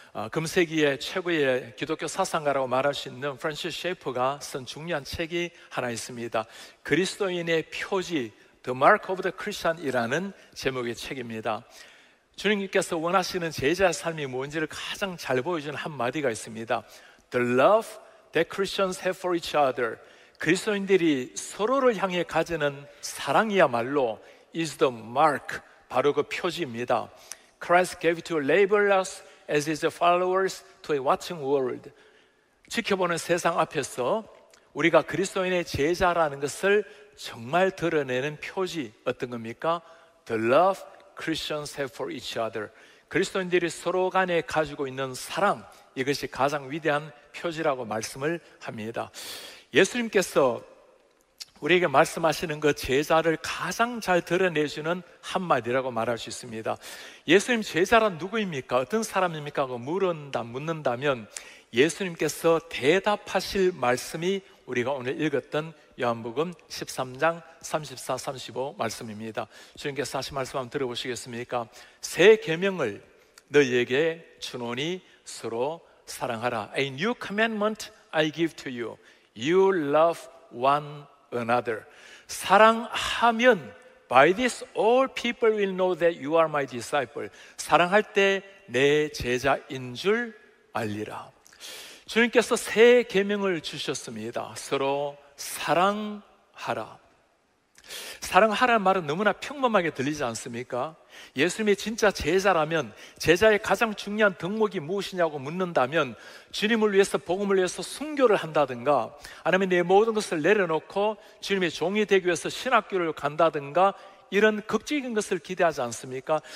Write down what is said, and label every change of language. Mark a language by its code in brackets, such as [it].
[ko] 금세기의 최고의 기독교 사상가라고 말할 수 있는 프란시스 셰이퍼가 쓴 중요한 책이 하나 있습니다. 그리스도인의 표지, The Mark of the Christian이라는 제목의 책입니다. 주님께서 원하시는 제자의 삶이 뭔지를 가장 잘 보여주는 한마디가 있습니다. [en] The love that Christians have for each other, [ko] 그리스도인들이 서로를 향해 가지는 사랑이야말로 [en] is the mark, [ko] 바로 그 표지입니다. [en] Christ gave to label us as his followers to a watching world. [ko] 지켜보는 세상 앞에서 우리가 그리스도인의 제자라는 것을 정말 드러내는 표지 어떤 겁니까? [en] The love Christians have for each other. [ko] 그리스도인들이 서로 간에 가지고 있는 사랑, 이것이 가장 위대한 표지라고 말씀을 합니다. 예수님께서 우리에게 말씀하시는 그 제자를 가장 잘 드러내주는 한마디라고 말할 수 있습니다. 예수님 제자란 누구입니까? 어떤 사람입니까? 하고 묻는다면 예수님께서 대답하실 말씀이 우리가 오늘 읽었던 요한복음 13장 34, 35 말씀입니다. 주님께서 다시 말씀 한번 들어보시겠습니까? 새 계명을 너희에게 주노니 서로 사랑하라. [en] A new commandment I give to you. You love one another. [ko] 사랑하면 [en] by this all people will know that you are my disciple. [ko] 사랑할 때 내 제자인 줄 알리라. 주님께서 새 계명을 주셨습니다. 서로 사랑하라. 사랑하라는 말은 너무나 평범하게 들리지 않습니까? 예수님이 진짜 제자라면 제자의 가장 중요한 덕목이 무엇이냐고 묻는다면 주님을 위해서 복음을 위해서 순교를 한다든가 아니면 내 모든 것을 내려놓고 주님의 종이 되기 위해서 신학교를 간다든가 이런 극적인 것을 기대하지 않습니까?